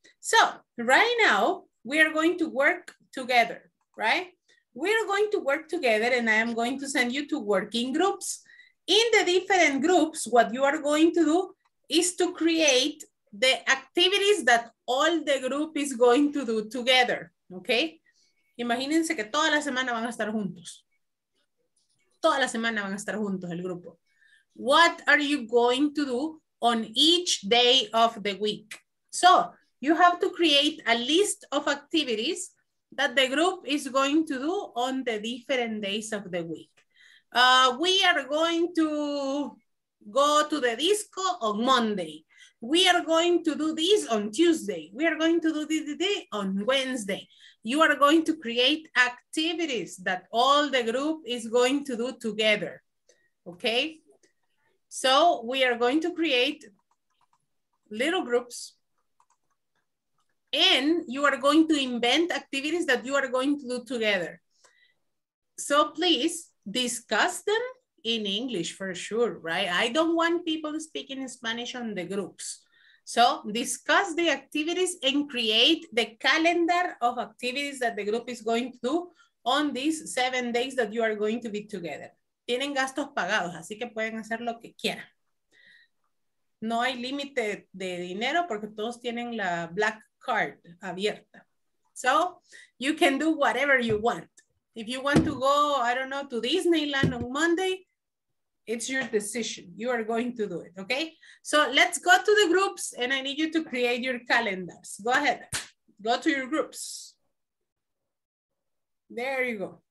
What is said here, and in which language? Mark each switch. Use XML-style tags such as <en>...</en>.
<en>So right now we are going to work together, right? We're going to work together and I am going to send you to working groups. In the different groups, what you are going to do is to create the activities that all the group is going to do together, okay?</en> <es>Imagínense que toda la semana van a estar juntos. Toda la semana van a estar juntos el grupo.</es> <en>What are you going to do on each day of the week? So, you have to create a list of activities that the group is going to do on the different days of the week. We are going to go to the disco on Monday. We are going to do this on Tuesday. We are going to do this on Wednesday. You are going to create activities that all the group is going to do together, okay? So we are going to create little groups and you are going to invent activities that you are going to do together. So please discuss them in English for sure, right? I don't want people speaking Spanish on the groups. So discuss the activities and create the calendar of activities that the group is going to do on these 7 days that you are going to be together.</en> <es>Tienen gastos pagados, así que pueden hacer lo que quieran. No hay límite de dinero porque todos tienen la black card abierta.</es> <en>So you can do whatever you want. If you want to go, I don't know, to Disneyland on Monday, it's your decision. You are going to do it, okay? So let's go to the groups and I need you to create your calendars. Go ahead, go to your groups. There you go.</en>